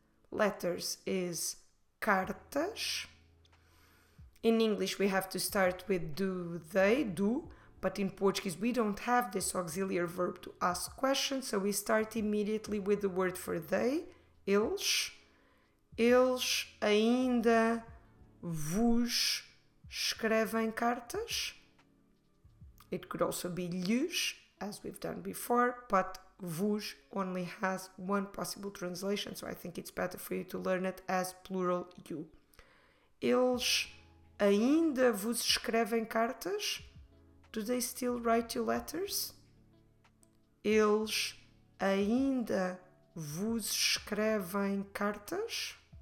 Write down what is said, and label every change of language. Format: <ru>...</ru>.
<en>letters is cartas. In English, we have to start with do they, do. But in Portuguese, we don't have this auxiliary verb to ask questions. So we start immediately with the word for they, eles.</en> <pt>Eles ainda vos escrevem cartas.</pt> <en>It could also be lhes, as we've done before, but vos only has one possible translation, so I think it's better for you to learn it as plural you.</en> <pt>Eles ainda vos escrevem cartas?</pt> <en>Do they still write you letters?</en> <pt>Eles ainda vos escrevem cartas?</pt>